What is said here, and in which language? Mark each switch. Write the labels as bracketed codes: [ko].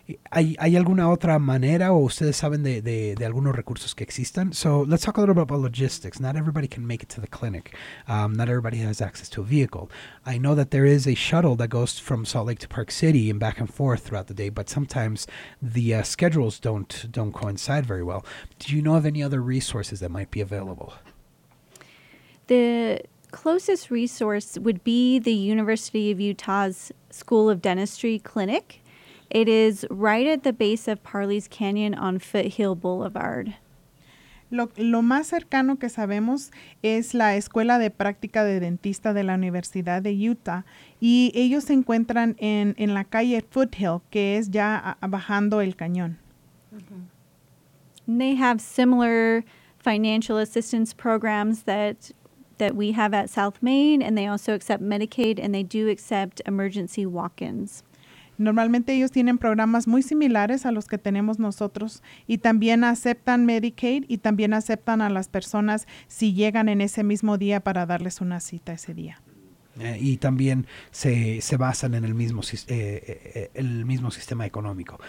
[es] ¿Hay alguna otra manera o ustedes saben de algunos recursos que existan? [en] So let's talk a little bit about logistics. Not everybody can make it to the clinic. Not everybody has access to a vehicle. I know that there is a shuttle that goes from Salt Lake to Park City and back and forth throughout the day, but sometimes the schedules don't coincide very well. Do you know of any other resources that might be available? The closest resource would be the University of Utah's School of Dentistry Clinic. It is right at the base of Parley's Canyon on Foothill Boulevard. [es] Lo más cercano que sabemos es la Escuela de Práctica de Dentista de la Universidad de Utah. Y ellos se encuentran en la calle Foothill, que es ya bajando el cañón. [en] Mm-hmm. They have similar financial assistance programs that we have at South Main. And they also accept Medicaid and they do accept emergency walk-ins. [es] Normalmente ellos tienen programas muy similares a los que tenemos nosotros y también aceptan Medicaid y también aceptan a las personas si llegan en ese mismo día para darles una cita ese día. Y también se basan en el mismo sistema económico.